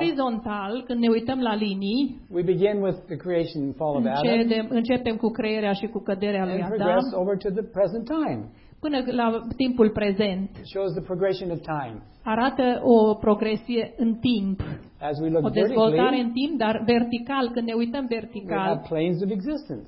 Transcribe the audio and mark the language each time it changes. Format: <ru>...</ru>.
<ro>Orizontal, când ne uităm la linii.</ro> <en>We begin with the creation and fall of Adam.</en> <ro>Începem cu crearea și cu căderea lui Adam.</ro> <en>And progress over to the present time.</en> <ro>Până la timpul prezent.</ro> <en>Shows the progression of time.</en> <ro>Arată o progresie în timp.</ro> <en>As we look</en> <ro>o dezvoltare în timp, dar vertical, când ne uităm vertical.</ro> <en>We have planes of existence.</en>